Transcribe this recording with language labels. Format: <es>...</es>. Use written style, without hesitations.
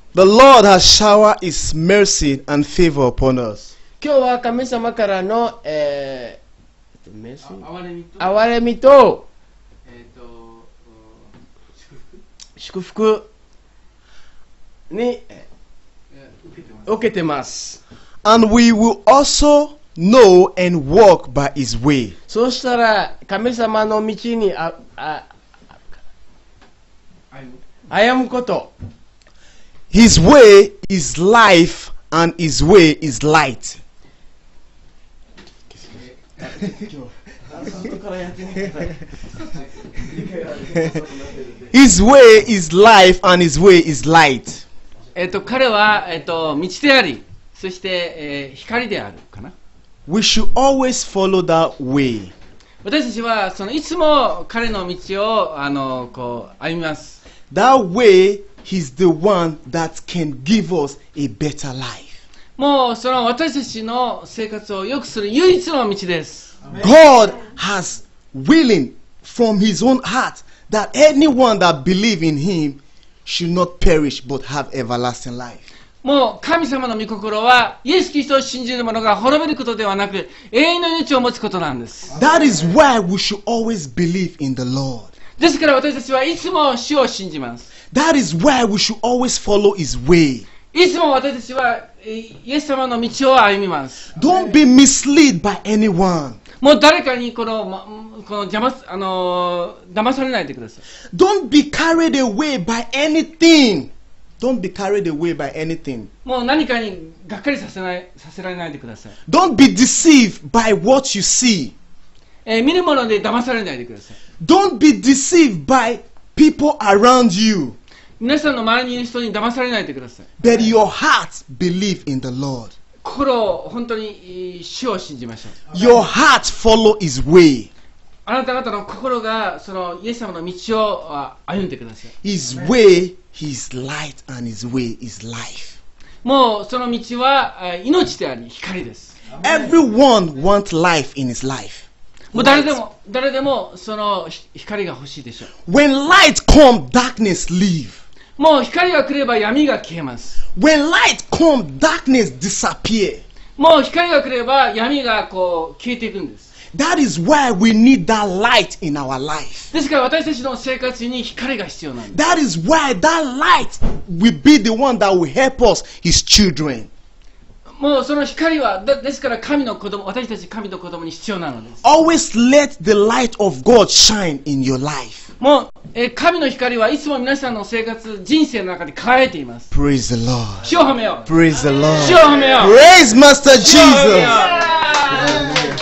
<en>The Lord has showered His mercy and favor upon us.</en> <ja>今日は神様からの、憐れみと、祝福に受けてます。</ja> <en>And we will also know and walk by His way.</en> <ja>そしたら神様の道に歩むこと。</ja> <en>His way is life, and His way is light. His way is life, and His way is light.</en> <ja>彼は道であり、そして、光であるかな。</ja> <en>We should always follow that way.</en> <ja>私たちはそのいつも彼の道をこう歩みます。</ja> <en>That way. He's the one that can give us a better life.</en> <ja>もうその私たちの生活を良くする唯一の道です。</ja> <en>God has willing from His own heart that anyone that believes in Him should not perish but have everlasting life.</en> <ja>もう神様の御心はイエス・キリストを信じる者が滅びることではなく永遠の命を持つことなんです。</ja> <en>That is why we should always believe in the Lord.</en> <ja>ですから私たちはいつも主を信じます。</ja> <en>That is why we should always follow His way.</en> <ja>いつも私たちはイエス様の道を歩みます。</ja> <en>Don't be misled by anyone.</en> <ja>もう誰かにこの騙されないでください。</ja> <en>Don't be carried away by anything. Don't be carried away by anything.</en> <ja>もう何かにがっかりさせられないでください。</ja> <en>Don't be deceived by what you see.</en> <ja>見るもので騙されないでください。</ja> <en>Don't be deceived by people around you.</en> <ja>皆さんの周りにいる人に騙されないでください。</ja> <en>But your heart believe in the Lord.</en> <ja>心を本当に主を信じましょう。</ja> <en>Your heart follow His way.</en> <ja>あなた方の心がそのイエス様の道を歩んでください。</ja> <en>His way, His light, and His way is life.</en> <ja>もうその道は命であり光です。</ja> <en>Everyone wants life in his life.</en> <ja>もう誰でもその光が欲しいでしょう。</ja> <en>When light come, darkness leave.</en> <ja>もう光が来れば闇が消えます。</ja> <en>When light come, darkness disappear.</en> <ja>もう光が来れば闇がこう消えていくんです。</ja> <en>That is why we need that light in our life.</en> <ja>ですから私たちの生活に光が必要なんです。</ja> <en>That is why that light will be the one that will help us, His children.</en> <ja>もうその光はですから神の子供、私たち神の子供に必要なのです。</ja> <en>Always let the light of God shine in your life.</en> <ja>もう神の光はいつも皆さんの生活、人生の中で輝いています。</ja> <en>Praise the Lord.</en> <ja>主を褒めよう。</ja> <en>Praise the Lord.</en> <ja>主を褒めよう。</ja> <en>Praise Master Jesus. Amen.</en>